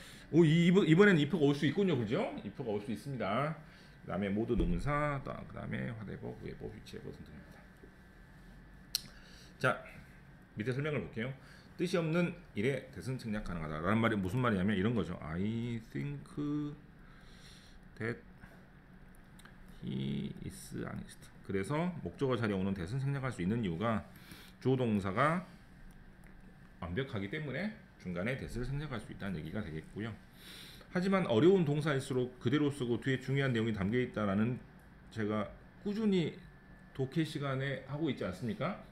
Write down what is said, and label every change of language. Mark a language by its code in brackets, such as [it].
[ko] 오, 이번에는 if가 올 수 있군요. 그죠? if가 올 수 있습니다. 그 다음에 모두 동사, 그 다음에 whatever, whoever, whichever 등등입니다. 자, 밑에 설명을 볼게요. 뜻이 없는 일에 대신 생략 가능하다 라는 말이 무슨 말이냐면 이런 거죠. [en] I think that he is honest. [ko] 그래서 목적어 자리에 오는 대신 생략할 수 있는 이유가 조동사가 완벽하기 때문에 중간에 대신 생략할 수 있다는 얘기가 되겠고요. 하지만 어려운 동사일수록 그대로 쓰고 뒤에 중요한 내용이 담겨 있다라는 제가 꾸준히 독해 시간에 하고 있지 않습니까?